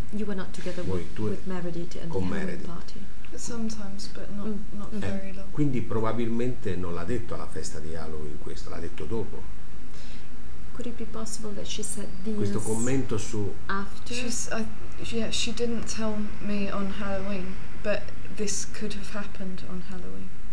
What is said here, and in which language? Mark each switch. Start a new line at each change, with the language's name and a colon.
English: You were not together with Meredith at the party. Sometimes, but not very long.
Italian: Quindi probabilmente non l'ha detto alla festa di Halloween questo, l'ha detto dopo.
English: Could it be possible that she said this?
Italian: Questo commento su
English: after. She didn't tell me on Halloween, but this could have happened on Halloween.